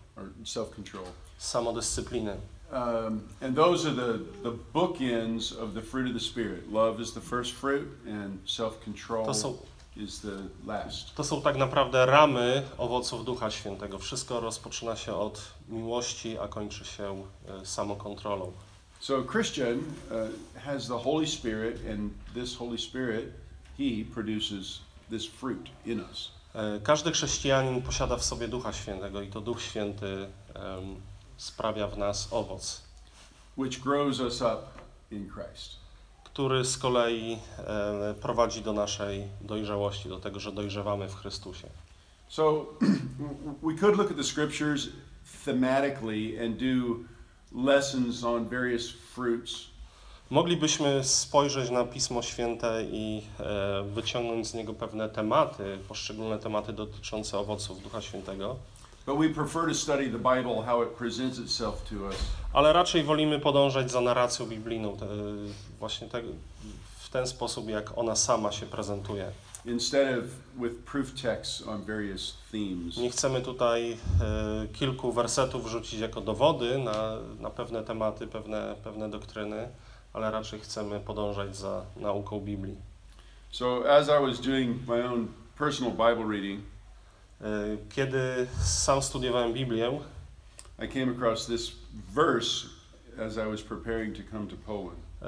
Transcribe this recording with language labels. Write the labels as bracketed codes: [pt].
[en] Or self-control. [pl] Samodyscypliny. [en] And those are the bookends of the fruit of the Spirit. Love is the first fruit and self-control is the last. [pl] To są tak naprawdę ramy owoców Ducha Świętego. Wszystko rozpoczyna się od miłości, a kończy się samokontrolą. [en] So a Christian has the Holy Spirit, and this Holy Spirit, he produces this fruit in us. [pl] Każdy chrześcijanin posiada w sobie Ducha Świętego i to Duch Święty sprawia w nas owoc, [en] which grows us up in Christ. [pl] Który z kolei prowadzi do naszej dojrzałości, do tego, że dojrzewamy w Chrystusie. [en] So we could look at the scriptures thematically and do lessons on various fruits. [pl] Moglibyśmy spojrzeć na Pismo Święte i wyciągnąć z niego pewne tematy, poszczególne tematy dotyczące owoców Ducha Świętego. [en] But we prefer to study the Bible, how it presents itself to us. [pl] Ale raczej wolimy podążać za narracją biblijną, właśnie tak w ten sposób, jak ona sama się prezentuje. [en] Instead of with proof texts on various themes. [pl] Nie chcemy tutaj kilku wersetów rzucić jako dowody na pewne tematy, pewne doktryny, ale raczej chcemy podążać za nauką Biblii. [en] So as I was doing my own personal Bible reading, [pl] kiedy sam studiowałem Biblię, [en] I came across this verse as I was preparing to come to Poland.